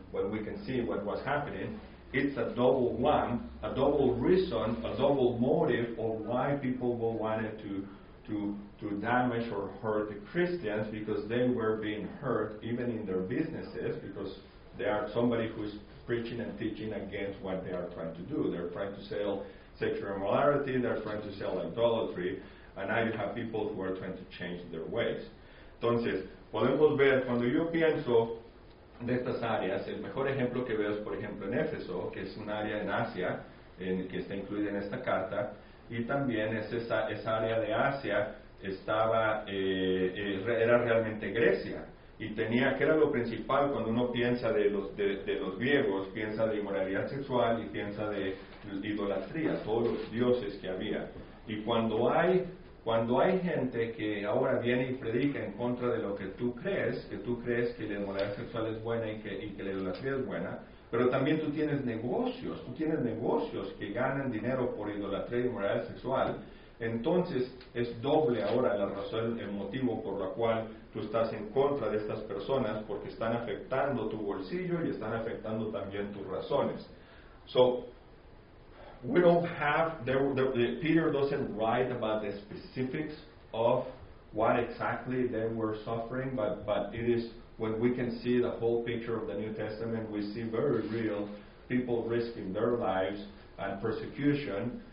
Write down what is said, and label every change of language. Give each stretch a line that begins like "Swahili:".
English: When we can see what was happening, it's a double one, a double reason, a double motive of why people will wanted to damage or hurt the Christians, because they were being hurt even in their businesses, because they are somebody who's preaching and teaching against what they are trying to do. They're trying to sell sexual immorality, they're trying to sell idolatry, and now you have people who are trying to change their ways.
Spanish: Entonces, podemos ver cuando yo pienso de estas áreas, el mejor ejemplo que veo es, por ejemplo, en Éfeso, que es un área en Asia, en que está incluida en esta carta, y también es esa área de Asia estaba, era realmente Grecia. Y tenía, que era lo principal cuando uno piensa de los griegos, piensa de inmoralidad sexual y piensa de idolatría, todos los dioses que había. Y cuando hay gente que ahora viene y predica en contra de lo que tú crees que la inmoralidad sexual es buena y que la idolatría es buena, pero también tú tienes negocios que ganan dinero por idolatría y inmoralidad sexual, entonces es doble ahora la razón, el motivo por la cual tú estás en contra de estas personas, porque están afectando tu bolsillo y están afectando también tus razones.
English: So, we don't have, Peter doesn't write about the specifics of what exactly they were suffering, but it is, when we can see the whole picture of the New Testament, we see very real people risking their lives and persecution.